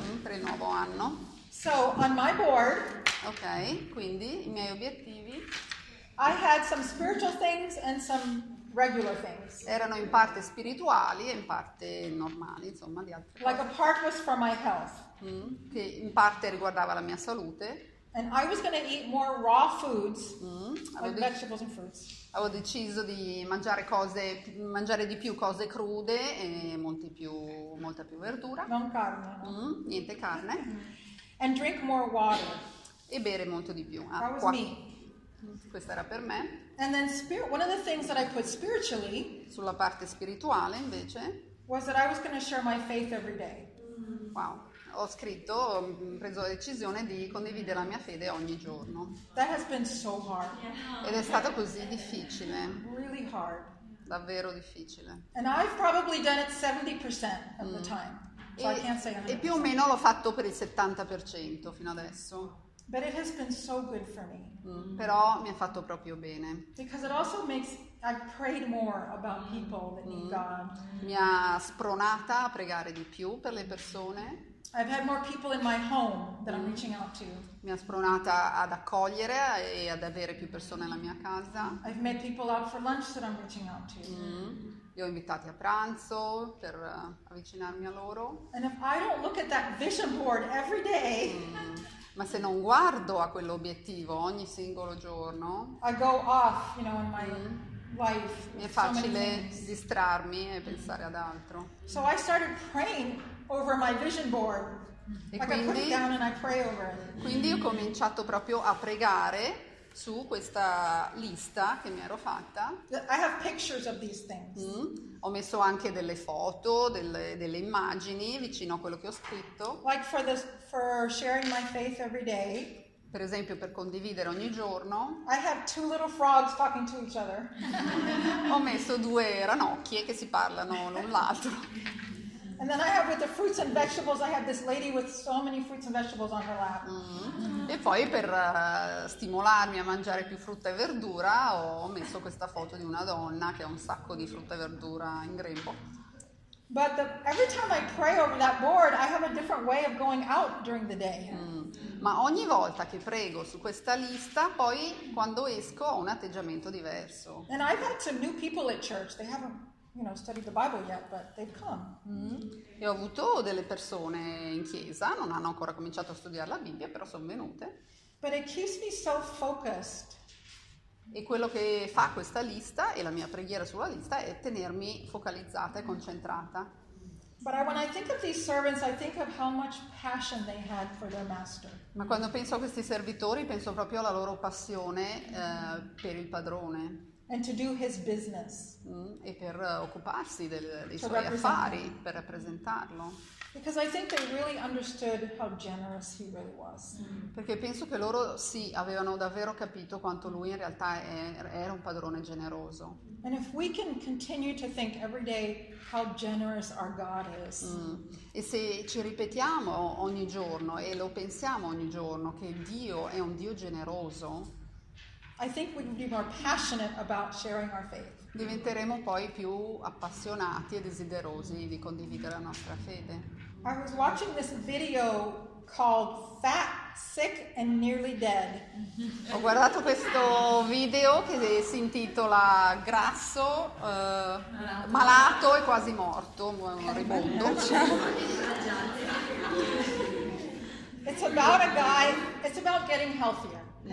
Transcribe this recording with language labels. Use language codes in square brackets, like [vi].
[it] Per il nuovo anno. [en] So, on my board. [it] Ok, quindi i miei obiettivi. [en] I had some spiritual things and some... regular things. [it] Erano in parte spirituali e in parte normali, insomma, di altre cose. [en] Like a part was for my health. [it] Che in parte riguardava la mia salute. [en] And I was going to eat more raw foods, like vegetables and fruits. [it] Avevo deciso di mangiare di più cose crude e molta più verdura. Non carne. Niente carne. [en] And drink more water. [it] E bere molto di più. [en] That was me. [it] Questa era per me. [en] And then spirit, one of the things that I put spiritually, [it] sulla parte spirituale invece, [en] was that I was going to share my faith every day. Wow. [it] Ho scritto, ho preso la decisione di condividere la mia fede ogni giorno. [en] That has been so hard. [it] Ed è stato così difficile. [en] Really hard. [it] Davvero difficile. [en] And I've probably done it 70% of the time. So I can't say 100%. [it] E più o meno l'ho fatto per il 70% fino adesso. [en] But it has been so good for me. [it] Però mi ha fatto proprio bene. [en] Because it also makes I prayed more about people that need God. [it] Mi ha spronata a pregare di più per le persone. [en] I've had more people in my home that I'm reaching out to. [it] Mi ha spronata ad accogliere e ad avere più persone nella mia casa. [en] I've met people out for lunch that I'm reaching out to. [it] Li ho invitati a pranzo per avvicinarmi a loro. [en] And if I don't look at that vision board every day, [it] ma se non guardo a quell'obiettivo ogni singolo giorno, [en] I go off, you know, in my life. [it] Mi è facile distrarmi e pensare ad altro. [en] So I started praying over my vision board. [it] E [en] like [it] quindi, [en] I put it down and I pray over it. [it] Quindi ho cominciato proprio a pregare su questa lista che mi ero fatta. [en] I have pictures of these things. [it] Ho messo anche delle foto, delle immagini vicino a quello che ho scritto. [en] Like for sharing my faith every day. [it] Per esempio, per condividere ogni giorno. [en] I have two little frogs talking to each other. [it] Ho messo due ranocchie che si parlano l'un l'altro. [en] And then I have with the fruits and vegetables, I have this lady with so many fruits and vegetables on her lap. [it] E poi per stimolarmi a mangiare più frutta e verdura, ho messo questa foto di una donna che ha un sacco di frutta e verdura in grembo. [en] But every time I pray over that board, I have a different way of going out during the day. [it] Ma ogni volta che prego su questa lista, poi quando esco ho un atteggiamento diverso. [en] And I've had some new people at church. They have a studied the Bible yet, but they've come. [it] E ho avuto delle persone in chiesa, non hanno ancora cominciato a studiare la Bibbia, però sono venute. [en] But it keeps me so focused. [it] E quello che fa questa lista e la mia preghiera sulla lista è tenermi focalizzata e concentrata. [en] But when I think of these servants, I think of how much passion they had for their master. [it] Ma quando penso a questi servitori, penso proprio alla loro passione per il padrone. [en] And to do his business. [it] E per occuparsi dei suoi affari, per rappresentarlo. [en] Because I think they really understood how generous he really was. [it] Perché penso che loro sì, avevano davvero capito quanto lui in realtà era un padrone generoso. [en] And if we can continue to think every day how generous our God is. [it] E se ci ripetiamo ogni giorno e lo pensiamo ogni giorno che Dio è un Dio generoso, [en] I think we can be more passionate about sharing our faith. [it] Diventeremo poi più appassionati e desiderosi di condividere la nostra fede. [en] I was watching this video called Fat, Sick and Nearly Dead. [it] Ho guardato questo video che si intitola Grasso, malato e quasi morto, moribondo. [en] It's about a guy, it's about getting healthier.